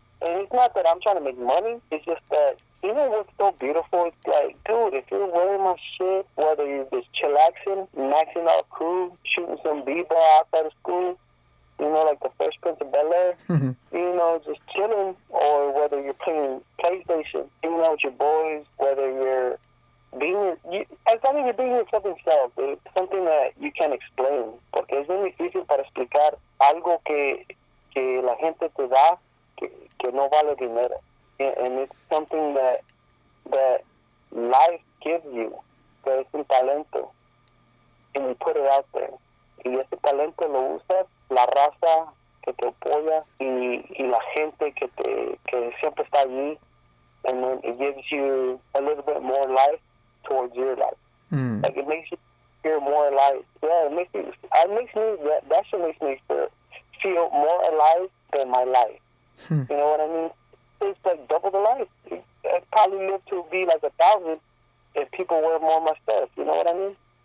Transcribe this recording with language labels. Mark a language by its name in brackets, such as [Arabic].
[English] And it's not that I'm trying to make money. It's just that, even what's so beautiful, it's like, dude, if you're wearing my shit, whether you're just chillaxing, maxing out crew, shooting some b-ball outside of school, you know, like the Fresh Prince of Bel-Air, you know, just chilling, or whether you're playing PlayStation, hanging out with your boys, whether you're being yourself itself, it's something that you can't explain. [Spanish] Porque es muy difícil para explicar algo que la gente te da que no vale dinero. [English] And it's something that life gives you. [Spanish] Pero es un talento. [English] And you put it out there. [Spanish] Y ese talento lo usas, la raza que te apoya y la gente que siempre está allí. [English] And then it gives you a little bit more life towards your life. Mm. Like, it makes you feel more alive. Yeah, that shit makes me feel more alive than my life. Hmm. You know what I mean? It's like double the life. I'd probably live to be like 1,000 if people wear more of my stuff. You know what I mean?